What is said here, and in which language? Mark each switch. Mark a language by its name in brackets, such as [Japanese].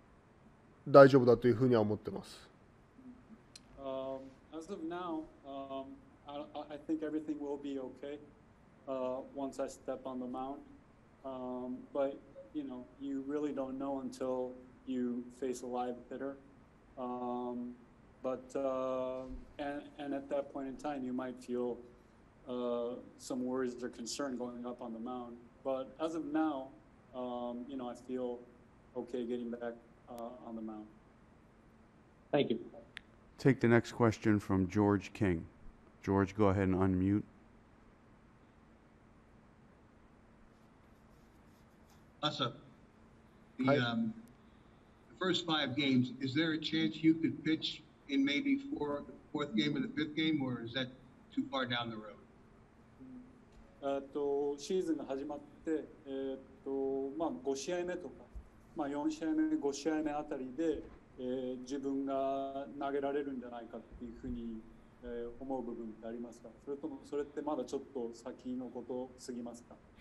[Japanese] 今現状では全く想像できないですね。またそれがバッターと対峙して、その時に恐怖感とかそういうものは出てくるのかもしれないですけども、現状では大丈夫だというふうには思ってます。 [English] As of now, I think everything will be okay once I step on the mound. But you know, you really don't know until you face a live hitter. But at that point in time, you might feel some worries or concern going up on the mound. But as of now, I feel okay getting back on the mound. Thank you. Take the next question from George King. George, go ahead and unmute. Asa, the first five games, is there a chance you could pitch in maybe for the fourth game or the fifth game, or is that too far down the road? [Japanese] Season が始まって、まあ、5試合目とか、まあ、4試合目、5試合目あたりで、自分が投げられるんじゃないかっていうふうに、思う部分ってありますか？それともそれってまだちょっと先のことすぎますか？